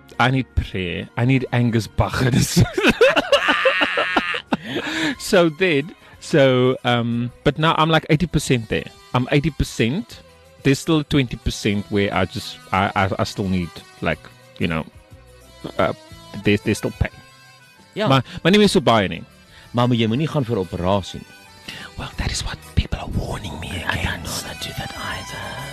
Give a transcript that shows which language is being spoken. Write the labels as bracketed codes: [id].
[en] I need prayer. I need Angus Bachers. But now I'm like 80% there. I'm 80%. There's still 20% where I still need, like, you know, there's still pain. Yeah. My name is Subaya. [af] Mama, jy moet nie gaan vir operasie nie. [en] Well, that is what people are warning me against. I don't know how to do that either.